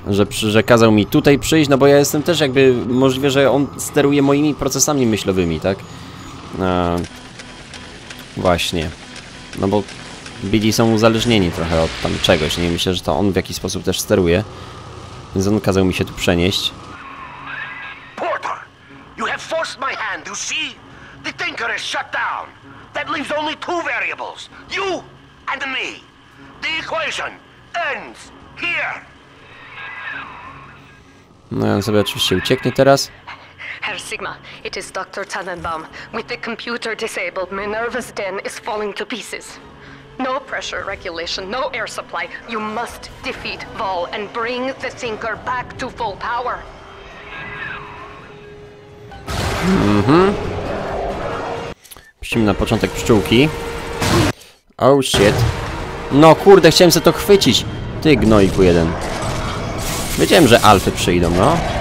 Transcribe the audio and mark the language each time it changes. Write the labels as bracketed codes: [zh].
[pl] Że kazał mi tutaj przyjść, no bo ja jestem też jakby... Możliwe, że on steruje moimi procesami myślowymi, tak? Właśnie. No bo Billy są uzależnieni trochę od tam czegoś. Nie, myślę, że to on w jakiś sposób też steruje. Więc on kazał mi się tu przenieść. [en] Porter! You see? The Thinker is shut down. That leaves only two variables, you and me. The equation ends here. [pl] No, ja sobie oczywiście ucieknie teraz. [en] Herr Sigma, it is Dr. Tannenbaum. With the computer disabled, Minerva's den is falling to pieces. No pressure regulation, no air supply. You must defeat Vol and bring the Thinker back to full power. Mhm. [pl] Puścimy na początek pszczółki. [en] Oh shit. [pl] No kurde, chciałem sobie to chwycić. Ty gnoiku jeden. Wiedziałem, że alfy przyjdą, no.